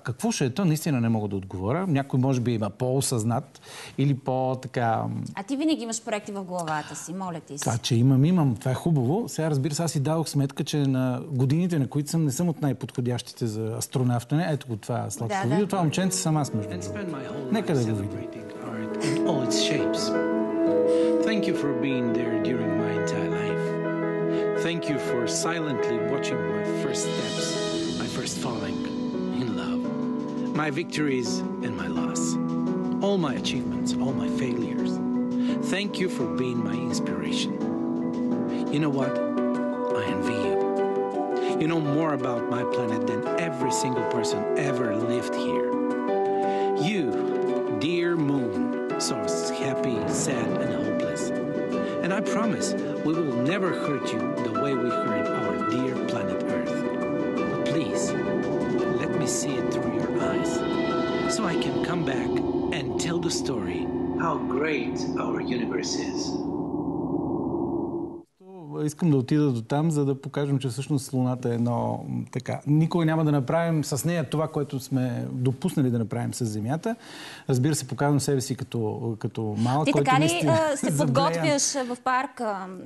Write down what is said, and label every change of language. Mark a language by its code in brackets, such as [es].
[bg] Какво ще е то, наистина не мога да отговоря. Някой може би има по-осъзнат или по-така... А ти винаги имаш проекти в главата си, моля ти си. Това, че имам. Това е хубаво. Сега разбира се, аз си дадох сметка, че на годините, на които съм, не съм от най-подходящите за астронавтане. Ето го това слабо. Да, видео, това момченце съм аз между другото. Нека да го видим. [en] Thank you for being there during my entire life. Thank you for silently watching my first steps, my first falling in love, my victories and my loss, all my achievements, all my failures. Thank you for being my inspiration. You know what? I envy you. You know more about my planet than every single person ever lived here. You, dear moon, source, happy, sad, and hopeless. And I promise we will never hurt you the way we hurt our dear planet Earth. But please, let me see it through your eyes, so I can come back and tell the story how great our universe is. [bg] Искам да отида до там, за да покажем, че всъщност Луната е едно така. Никога няма да направим с нея това, което сме допуснали да направим с Земята. Разбира се, показвам себе си като малък. Ти така ли се подготвяш в парка?